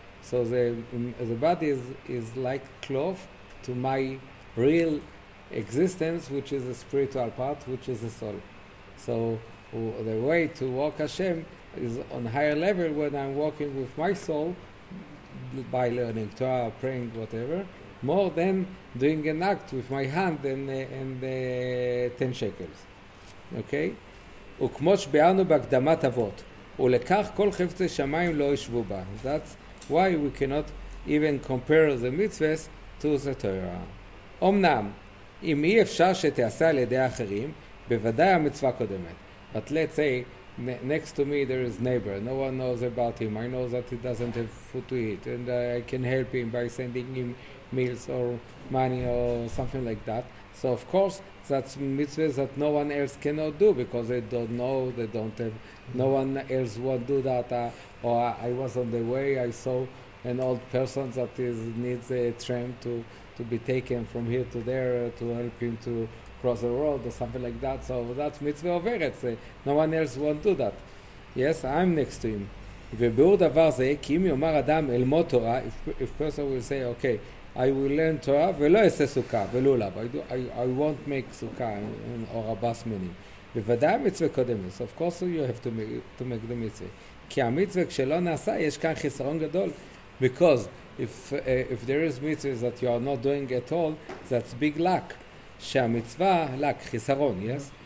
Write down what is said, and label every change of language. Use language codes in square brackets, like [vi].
[en] So the body is like cloth to my real existence, which is the spiritual part, which is the soul. So the way to walk Hashem is on higher level when I'm walking with my soul by learning Torah, praying, whatever, more than doing an act with my hand and the 10 shekels. [he] Okay, וכמו שביארנו בהקדמת אבות, ולכך כל חפצי שמיים לא ישבו בה. [en] That's why we cannot even compare the mitzvahs to the Torah. [he] אמנם, אם אי אפשר שתעשה על ידי אחרים, בוודאי המצווה קודמת. [en] But let's say, next to me there is neighbor. No one knows about him. I know that he doesn't have food to eat. And I can help him by sending him meals or money or something like that. So of course, that's mitzvah that no one else cannot do because they don't know, they don't have, no one else won't do that. I was on the way, I saw an old person that is, needs a tram to be taken from here to there to help him to cross the road or something like that. So that's mitzvah of Eretz. No one else won't do that. Yes, I'm next to him. [he] וביאור דבר זה, כי אם יאמר אדם אל מות תורה, [en] if person will say, okay, I will learn Torah, [he] ולא אעשה סוכה, ולולב. [en] I won't make סוכה or a bas minim. [he] בוודאי המצווה קודמת. [en] Of course you have to make the mitzvah. [he] כי המצווה כשלא נעשה, יש כאן חיסרון גדול. [en] Because if there is mitzvah that you are not doing at all, that's big luck. [he] שהמצווה, [en] luck, [he] חיסרון, [en] yes?